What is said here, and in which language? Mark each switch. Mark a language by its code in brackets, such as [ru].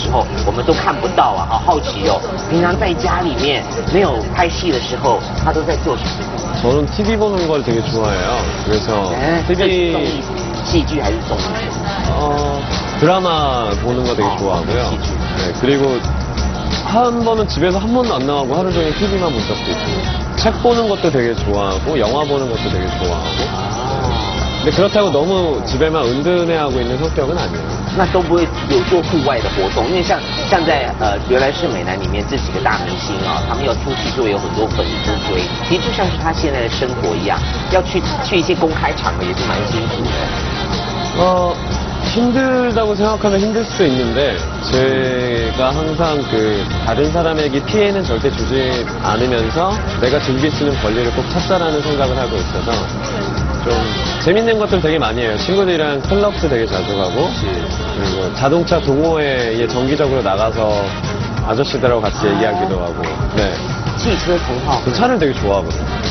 [zh] 是这样，人家喝，那就好，那就好，好可爱哦，哇，真的，如果有机会跟他喝一杯，一定很开心，会抓着人乱亲乱抱，有没有？有没有？可是哪有？有没有？我有照片哦，我有照片哦。哎，我的，怎么会？有，三吗？没有啦，骗你的啊。不过其实呢，这个有时候工作压力非常的大啊，那适时的放松一下，这个是张根硕的一种方式。那除了这些之外呢，在他没有工作的时候，我们都看不到啊，好好奇。平常在家里面没有拍戏的时候，他都在做什么？ [ko] 저는 TV 보는 걸 되게 좋아해요. 그래서 TV [zh] 戏剧还是综艺？ [ko] 드라마 보는 거 되게 좋아하고요. 네, 그리고 한 번은 집에서 한 번도 안 나가고 하루 종일 TV만 본 적도 있고, 책 보는 것도 되게 좋아하고 영화 보는 것도 되게 좋아하고. 근데 그렇다고 너무 집에만 은둔해하고 있는 성격은 아니에요. [zh] 那都不会有做户外的活动，因为像在原来是美男里面这几个大明星啊，他们要出去就有很多粉丝追，其实就像是他现在的生活一样，要去一些公开场合也是蛮辛苦的。 [ko] 힘들다고 생각하면 힘들 수도 있는데 제가 항상 그 다른 사람에게 피해는 절대 주지 않으면서 내가 즐길 수 있는 권리를 꼭 찾자라는 생각을 하고 있어서 좀 재밌는 것들 되게 많이 해요. 친구들이랑 클럽도 되게 자주 가고 그리고 자동차 동호회에 정기적으로 나가서 아저씨들하고 같이 얘기하기도 하고 네. 그 차를 되게 좋아하거든요.